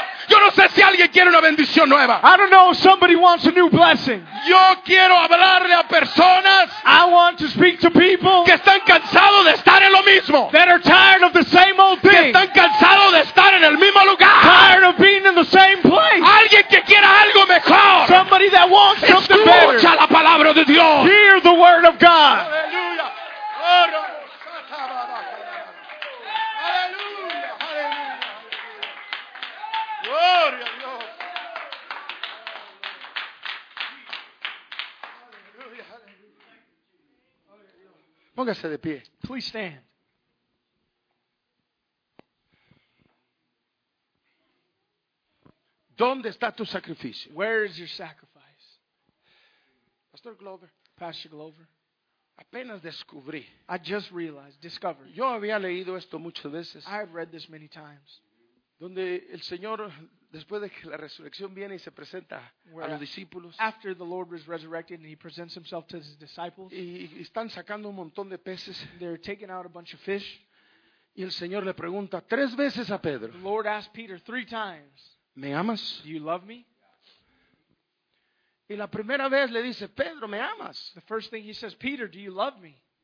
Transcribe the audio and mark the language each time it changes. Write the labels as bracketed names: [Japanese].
[Spanish] Yo no sé si alguien quiere una bendición nueva. [English] I don't know if somebody wants a new blessing. [Spanish] Yo quiero hablarle a personas. [English] I want to speak to people. [Spanish] Que están cansados de estar en lo mismo. [English] That are tired of the same old thing. [Spanish] Que están cansados de estar en el mismo lugar. [English] Tired of being in the same place. [Spanish] Alguien que quiera algo mejor. [English] Somebody that wants [Spanish] escucha [English] something better. [Spanish] Escucha la palabra de Dios. [English] Hear the word of God. [Spanish] Aleluya. Póngase de pie. [English] Please stand. [Spanish] ¿Dónde está tu sacrificio? [English] Where is your sacrifice? Pastor Glover. Pastor Glover. [Spanish] Apenas descubrí. [English] I just realized, discovered. [Spanish] Yo había leído esto muchas veces. [English] I have read this many times. [Spanish] Donde el Señor, después de que la resurrección viene y se presenta [English] where [Spanish] a los discípulos. [English] After the Lord was resurrected and he presents himself to his disciples. [Spanish] Y están sacando un montón de peces. [English] They're taking out a bunch of fish. [Spanish] Y el Señor le pregunta tres veces a Pedro. [English] The Lord asked Peter three times. [Spanish] ¿Me amas? [English] Do you love me? [Spanish] Y la primera vez le dice, Pedro, ¿me amas? [English] The first thing he says, Peter, do you love me?